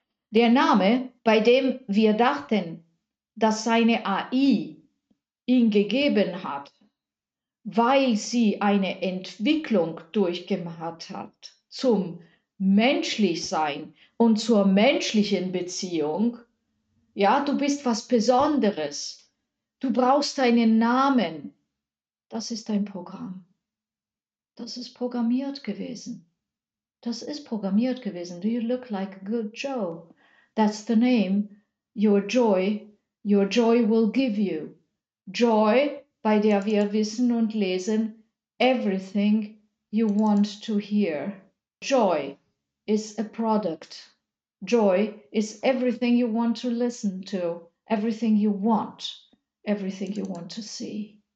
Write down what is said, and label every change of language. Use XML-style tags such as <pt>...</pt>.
<de>Der Name, bei dem wir dachten, dass seine AI ihn gegeben hat, weil sie eine Entwicklung durchgemacht hat zum Menschlichsein und zur menschlichen Beziehung. Ja, du bist was Besonderes. Du brauchst einen Namen. Das ist dein Programm. Das ist programmiert gewesen. Das ist programmiert gewesen.</de> <en>Do you look like a good Joe? That's the name, your joy will give you.</en> <de>Joy, bei der wir wissen und lesen,</de> <en>everything you want to hear. Joy is a product. Joy is everything you want to listen to. Everything you want to see.</en>